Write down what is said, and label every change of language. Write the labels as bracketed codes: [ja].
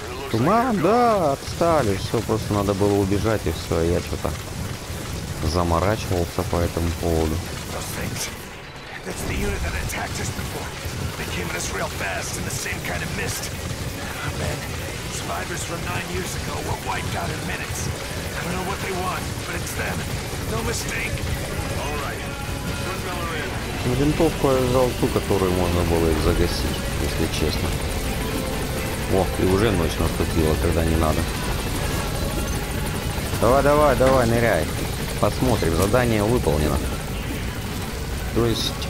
[ru] Туман, да, отстали. Все, просто надо было убежать, и все. Я что-то заморачивался по этому поводу. [en] That's the unit that attacked us before. They came at us real fast in the same kind of mist. Man, survivors from 9 years ago were wiped out in minutes. I don't know what they want, but it's them. No mistake. All right. Good fella in. [ru] Винтовку я взял ту, которую можно было их загасить, если честно. О, и уже ночь наступила, когда не надо. Давай, давай, давай, ныряй. Посмотрим, задание выполнено. То есть...